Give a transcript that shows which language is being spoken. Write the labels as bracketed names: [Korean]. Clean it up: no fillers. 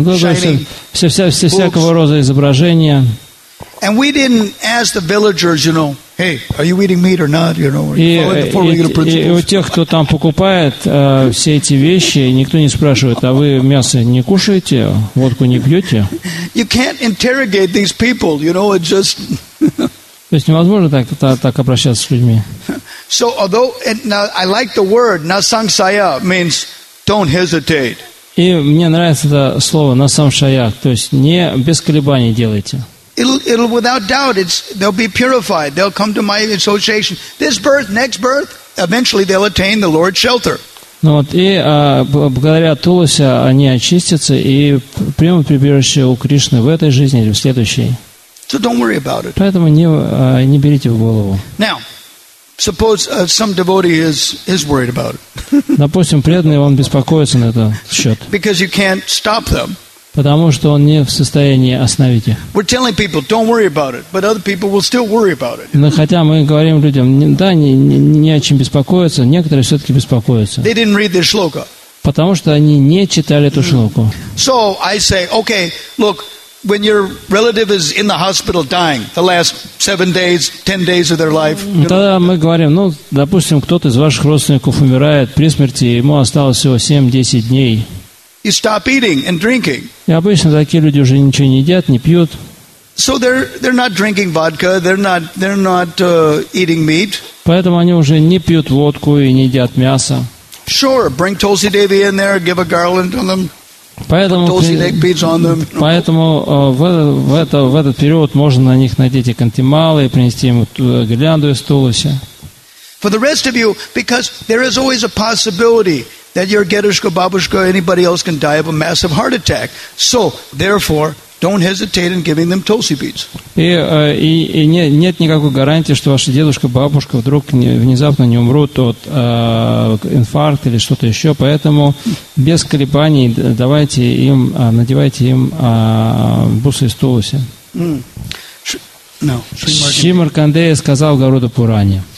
[Russian] Ну, то есть все всякого рода изображения. [English] And we didn't ask the villagers, you know, hey, are you eating meat or not, you know, are you following the four legal principles? [Russian] И у тех, кто там покупает все эти вещи, никто не спрашивает, а вы мясо не кушаете, водку не пьете? [English] You can't interrogate these people, you know, it's just... [Russian] То есть невозможно так обращаться с людьми. [English] So, although, now, I like the word, nasangsaya means don't hesitate. [Russian] И мне нравится это слово, nasangsaya, то есть не без колебаний делайте. [English] It'll without doubt, they'll be purified. They'll come to my association. This birth, next birth, eventually they'll attain the Lord's shelter. [Russian] Ну вот, и благодаря Туласи они очистятся и примут прибежище у Кришны в этой жизни или в следующей. [English] So don't worry about it. [Russian] Поэтому не берите в голову. [English] Now, Suppose some devotee is worried about it. [Russian] Допустим, преданный, он беспокоится на этот счет. [English] Because you can't stop them. [Russian] Потому что он не в состоянии остановить их. [English] We're telling people, don't worry about it, but other people will still worry about it. [Russian] Но хотя мы говорим людям, да, не о чем беспокоиться, некоторые все-таки беспокоятся. [English] They didn't read the shloka. [Russian] Потому что они не читали эту шлоку. [English] So I say, okay, look, when your relative is in the hospital dying, the last 7 days, 10 days of their life. [Russian] Тогда мы говорим, ну, допустим, кто-то из ваших родственников умирает при смерти, ему осталось всего 7-10 дней. [English] You stop eating and drinking. [Russian] И обычно такие люди уже ничего не едят, не пьют. [English] So they're not drinking vodka, they're not eating meat. [Russian] Поэтому они уже не пьют водку и не едят мясо. [English] Sure, bring Tulsi Devi in there, give a garland on them. [Russian] Поэтому, в этот период можно на них надеть и кантималы, и принести им гирлянду из Туласи. [English] For the rest of you, because there is always a possibility that your Gedushka, Babushka, anybody else can die of a massive heart attack. So, therefore, don't hesitate in giving them Tulsi beads. [Russian] И нет никакой гарантии, что ваша дедушка, бабушка вдруг внезапно не умрут от инфаркта или что-то еще. Поэтому без колебаний давайте им, надевайте им бусы из Туласи. Шри Маркандея сказал Гаруда Пуране.